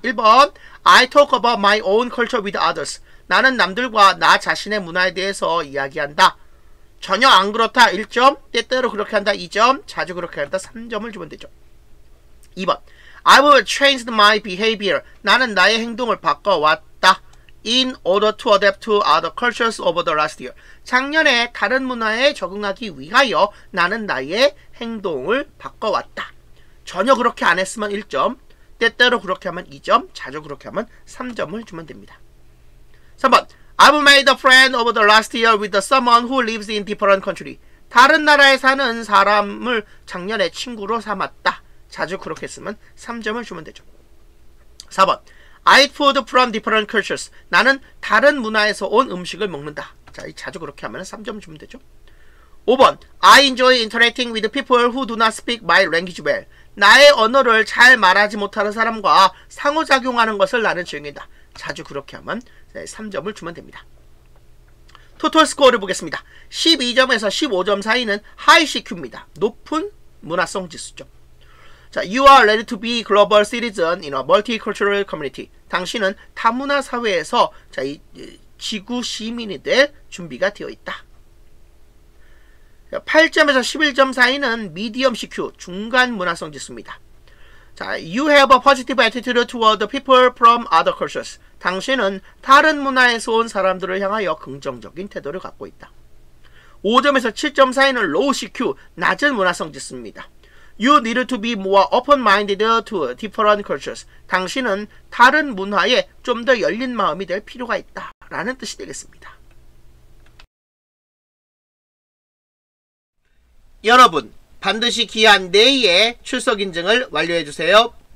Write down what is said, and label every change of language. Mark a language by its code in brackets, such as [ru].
[en] 1번, I talk about my own culture with others. [ko] 나는 남들과 나 자신의 문화에 대해서 이야기한다. 전혀 안 그렇다. 1점. 때때로 그렇게 한다. 2점. 자주 그렇게 한다. 3점을 주면 되죠. 2번. [en] I will change my behavior. [ko] 나는 나의 행동을 바꿔왔다. [en] In order to adapt to other cultures over the last year. [ko] 작년에 다른 문화에 적응하기 위하여 나는 나의 행동을 바꿔왔다. 전혀 그렇게 안 했으면 1점, 때때로 그렇게 하면 2점, 자주 그렇게 하면 3점을 주면 됩니다. 3번. [en] I've made a friend over the last year with someone who lives in different country. [ko] 다른 나라에 사는 사람을 작년에 친구로 삼았다. 자주 그렇게 쓰면 3점을 주면 되죠. [en] 4번. I food from different cultures. [ko] 나는 다른 문화에서 온 음식을 먹는다. 자, 자주 그렇게 하면 3점 주면 되죠. 5번. [en] I enjoy interacting with people who do not speak my language well. [ko] 나의 언어를 잘 말하지 못하는 사람과 상호작용하는 것을 나는 즐긴다. 자주 그렇게 하면 3점을 주면 됩니다. 토탈 스코어를 보겠습니다. 12점에서 15점 사이는 high CQ입니다. 높은 문화성 지수죠. [en] 자, you are ready to be global citizen in a multicultural community. [ko] 당신은 다문화 사회에서 자, 이 지구 시민이 될 준비가 되어 있다. 8점에서 11점 사이는 medium CQ, 중간 문화성 지수입니다. [en] 자, you have a positive attitude toward the people from other cultures. [ko] 당신은 다른 문화에서 온 사람들을 향하여 긍정적인 태도를 갖고 있다. 5점에서 7점 사이는 low CQ, 낮은 문화성 지수입니다. [en] You need to be more open-minded to different cultures. [ko] 당신은 다른 문화에 좀 더 열린 마음이 될 필요가 있다. 라는 뜻이 되겠습니다. 여러분, 반드시 기한 내에 출석 인증을 완료해 주세요.